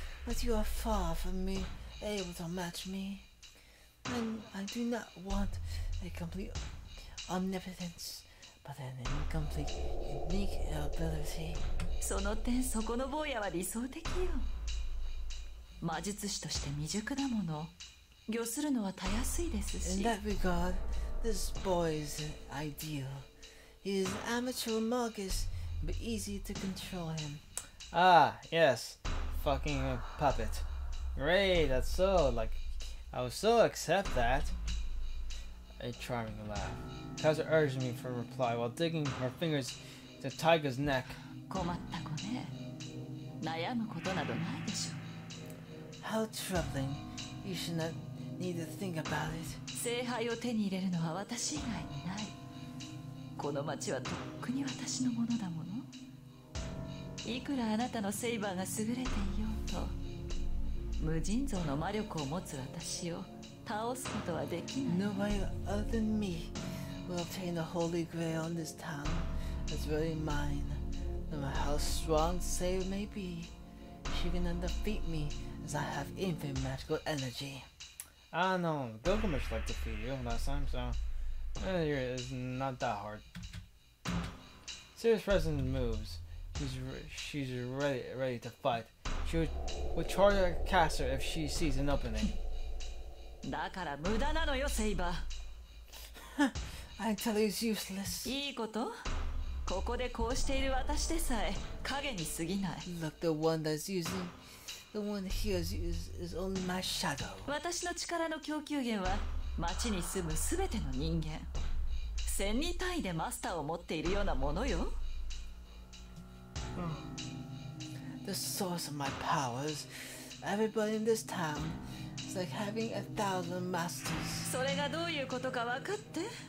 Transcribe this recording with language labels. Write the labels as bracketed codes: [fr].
[en] But you are far from me, able to match me. And I do not want a complete omnipotence, but an incomplete unique ability. [ja] その点、そこの坊やは理想的よ。魔術師として未熟なもの、御するのはたやすいですし。 [en] In that regard, this boy is ideal. He is amateur magus, but easy to control him. Ah, yes. Fucking a puppet. Great, that's so, like, I will so accept that. A charming laugh. Kazu urged me for a reply while digging her fingers into Taiga's neck. [ja] 困った子ね。悩むことなどないでしょ。 [en] How troubling. You should not need to think about it. [ja] 聖杯を手に入れるのは私以外にない。この町はとっくに私のものだもの。いくらあなたのセイバーが優れていようと、無尽蔵の魔力を持つ私を倒すことはできない。 [en] Nobody other than me will obtain the Holy Grail in this town. It's really mine. No matter how strong the Sabre may be, she cannot defeat me as I have infinite magical energy. Ah, no. Gilgamesh liked to defeat you last time, so it's not that hard. Serious present moves. She's ready to fight. She would charge a caster if she sees an opening. [ja] だから無駄なのよ、セイバ [en] ー。 I tell you, it's useless. [ja] いいこと？ここでこうしている私でさえ影に過ぎない。 [en] Look, the one here is only my shadow. [ja] 私の力の供給源は町に住むすべての人間。千人単位でマスターを持っているようなものよ。 [en] The source of my powers, everybody in this town, is like having 1,000 masters. [ja] それがどういうことか分かって?